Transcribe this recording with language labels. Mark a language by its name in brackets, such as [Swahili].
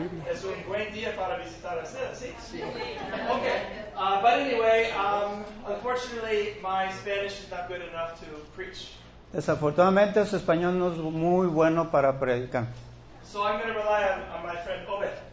[Spanish] Es un buen día para visitar a usted, ¿sí? Sí. [English] Okay. But anyway, unfortunately, my Spanish is not good enough to preach [Spanish] Desafortunadamente su español no es muy bueno para predicar. [English] So I'm going to rely on my friend Obed.